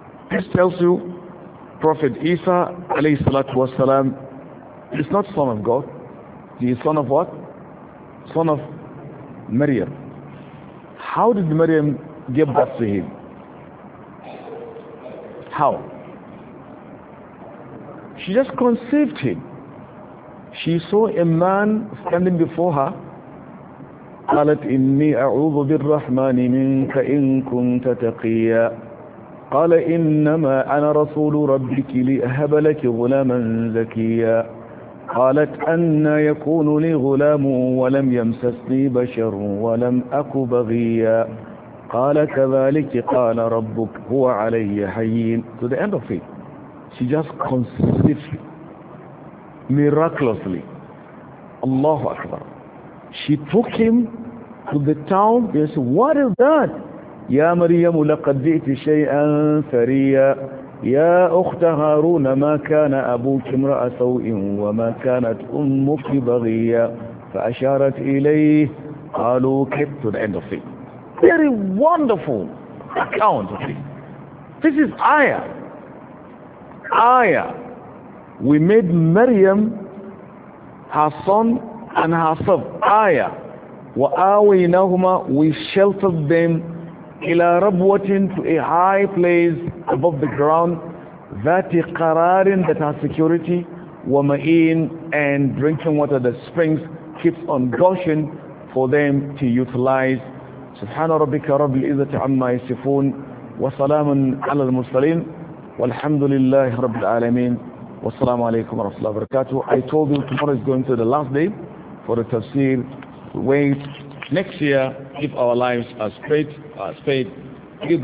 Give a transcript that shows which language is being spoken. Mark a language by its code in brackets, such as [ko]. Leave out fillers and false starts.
[en] This tells you Prophet Isa [ar] alayhi salatu wasalam [en] is not son of God. He is son of what? Son of Maryam. How did Maryam give birth to him? How? She just conceived him. She saw a man standing before her. [ar] قالت إني أعوذ بالرحمن منك إن كنت تقيا قال إنما أنا رسول ربك لأهب لك غلاما زكيا قالت أنى يكون لي غلام ولم يمسسني بشر ولم أك بغيا قال كذلك قال ربك هو علي حين. [en] To the end of it, she just conceived miraculously. Allahu Akbar. She took him to the town. They said, what is that? [ar] يا مريم لقد جئت شيئا فريا يا أخت هارون ما كان أبوك امرأ سوء وما كانت أمك بغيا فأشارت إليه قالوا كيف. [en] To the end of it. Very wonderful account of it. This is ayah. Ayah. We made Maryam, her son, and herself ayah. [ar] وَآوَيْنَهُمَا, [en] we sheltered them [ar] إِلَى رَبْوَةٍ, [en] to a high place above the ground, [ar] ذَاتِ قَرَارٍ, [en] that has security, وَمَئِينَ, and drinking water, the springs keeps on gushing for them to utilize. [ar] سبحان ربك رب العزة عما يصفون وسلام على المرسلين والحمد لله رب العالمين والسلام عليكم ورحمة الله وبركاته. [en] I told you tomorrow is going to the last day for the tafsir. Wait next year if our lives are straight, we're going